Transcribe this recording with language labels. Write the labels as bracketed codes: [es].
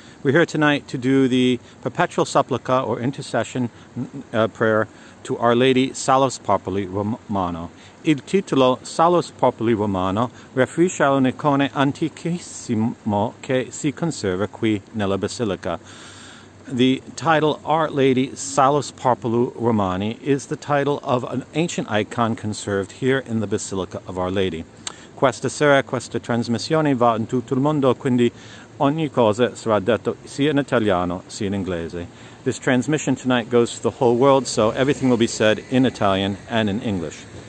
[en] We're here tonight to do the Perpetual Supplica, or Intercession, prayer to Our Lady Salus Populi Romano. [it] Il titolo Salus Populi Romano riferisce a un'icona antichissima che si conserva qui nella Basilica. [en] The title Our Lady Salus Populi Romani is the title of an ancient icon conserved here in the Basilica of Our Lady. [it] Questa sera questa trasmissione va in tutto il mondo, quindi ogni cosa sarà detto sia in italiano sia in inglese. [en] This transmission tonight goes to the whole world, so everything will be said in Italian and in English.